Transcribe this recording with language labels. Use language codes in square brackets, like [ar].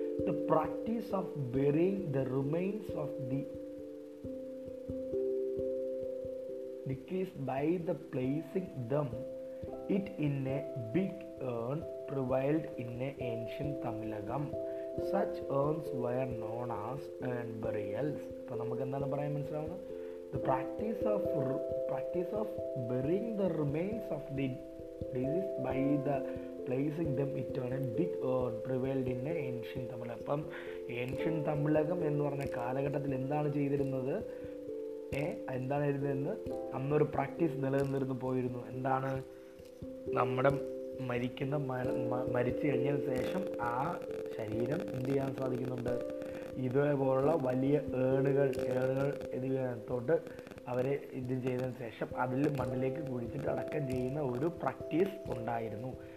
[en] The practice of burying the remains of the deceased by the placing them it in a big urn prevailed in a ancient Tamilakam. Such urns were known as urn burials. [ml] അപ്പോൾ നമുക്ക് എന്താണ് പറയാൻ മനസ്സിലാവുന്നത്? [en] The practice of burying the remains of the deceased by the placing them into a big urn prevailed in ancient Tamil. [ml] അപ്പം ancient Tamilakam എന്ന് പറഞ്ഞ കാലഘട്ടത്തിൽ എന്താണ് ചെയ്തിരുന്നത്, എന്താണ് എഴുതുന്നത്, അന്നൊരു പ്രാക്ടീസ് നിലനിന്നിരുന്നു പോയിരുന്നു. എന്താണ്, നമ്മുടെ മരിക്കുന്ന മരിച്ചു കഴിഞ്ഞതിന് ശേഷം ആ ശരീരം എന്ത് ചെയ്യാൻ സാധിക്കുന്നുണ്ട്, ഇതേപോലുള്ള വലിയ ഏണുകൾ എന്നിവത്തോട്ട് അവരെ ഇത് ചെയ്തതിന് ശേഷം അതിൽ മണ്ണിലേക്ക് കുഴിച്ചിട്ട് അടക്കം ചെയ്യുന്ന ഒരു പ്രാക്ടീസ് ഉണ്ടായിരുന്നു.